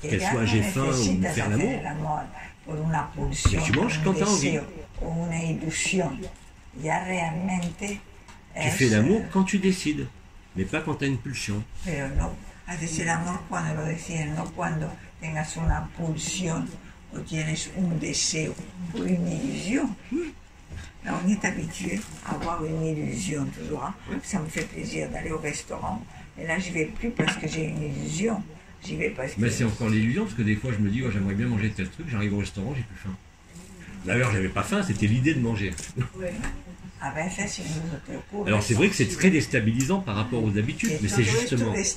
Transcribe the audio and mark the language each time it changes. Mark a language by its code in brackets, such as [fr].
[fr] qu'elle soit j'ai faim ou faire l'amour. Pulsion, tu manges quand t'as envie. Ou une illusion. [es] Ya realmente [fr] tu fais l'amour quand tu décides, mais pas quand tu as une pulsion. [es] Pero no, haces el amor cuando lo decides, no cuando tengas una pulsión o tienes un deseo, [fr] une illusion. Là, on est habitué à avoir une illusion, tu vois. Ça me fait plaisir d'aller au restaurant, et là, je vais plus parce que j'ai une illusion. J'y vais parce que... Mais c'est encore l'illusion, parce que des fois, je me dis, oh, j'aimerais bien manger tel truc, j'arrive au restaurant, j'ai plus faim. D'ailleurs, je n'avais pas faim, c'était l'idée de manger. Alors, c'est vrai que c'est très déstabilisant par rapport aux habitudes, mais c'est justement...